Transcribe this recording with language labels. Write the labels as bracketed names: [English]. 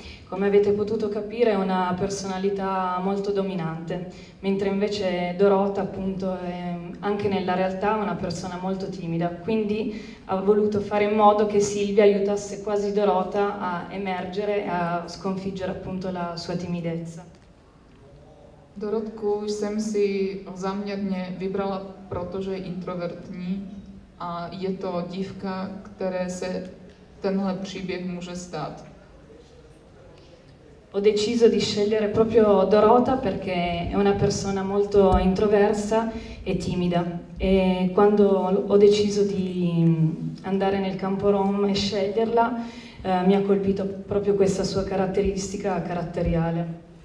[Italian] Come avete potuto capire è una personalità molto dominante, mentre invece Dorota appunto è anche nella realtà una persona molto timida, quindi ha voluto fare in modo che Silvia aiutasse quasi Dorota a emergere e a sconfiggere appunto la sua timidezza. [Czech] Dorotku už jsem si záměrně vybrala, protože je introvertní a je to dívka, které se tenhle příběh může stát. [Italian] Ho deciso di scegliere proprio Dorota perché è una persona molto introversa e timida. E quando ho deciso di andare nel campo rom e sceglierla, mi ha colpito proprio questa sua caratteristica caratteriale.